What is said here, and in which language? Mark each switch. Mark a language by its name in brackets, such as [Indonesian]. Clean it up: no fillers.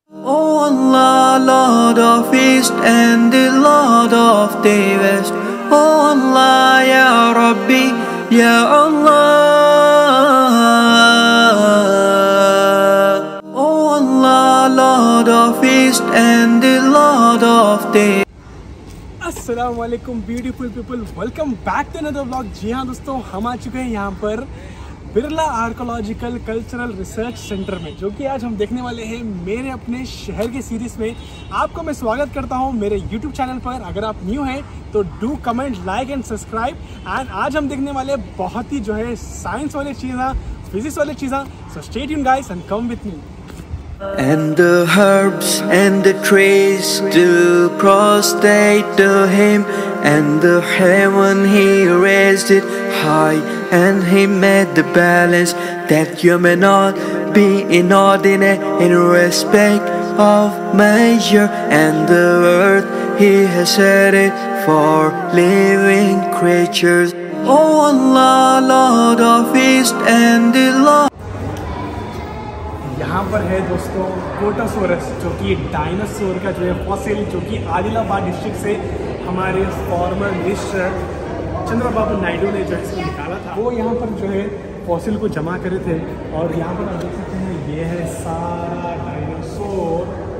[English] Lord of East and the Lord of the West. O Allah, [Arabic] Ya Rabbi, Ya Allah. [English] O Allah, Lord of East and the Lord of the West. अस्सलाम वालेकुम beautiful people, welcome back to another vlog. [Hindi] जी हाँ दोस्तों, हम आ चुके हैं यहाँ पर Birla archaeological cultural research centre में, जो कि आज हम देखने वाले हैं मेरे अपने शहर के सीरीज में। आपको मैं स्वागत करता हूँ मेरे यूट्यूब चैनल पर। अगर आप न्यू हैं तो [English] Do comment, like and subscribe. [Hindi] And आज हम देखने वाले बहुत ही जो है साइंस वाले चीज़ा, फिजिक्स वाले चीज़ा। [English] So stay tuned guys and come with me. And the herbs and the trees do prostrate to him, and the heaven he raised it high, and he made the balance that you may not be inordinate in respect of measure, and the earth he has set it for living creatures. Oh Allah, Lord of East and the Lord. [Hindi] यहाँ पर है दोस्तों क्रोटोसोरस, जो कि dinosaur का जो है fossil, जो कि आदिलाबाद डिस्ट्रिक्ट से हमारे फॉर्मर मिनिस्टर चंद्रबाबू नायडू ने जो है इसको निकाला था। वो यहाँ पर जो है फॉसिल को जमा करे थे। और यहाँ पर आप देख सकते हैं ये है सारा डायनासोर।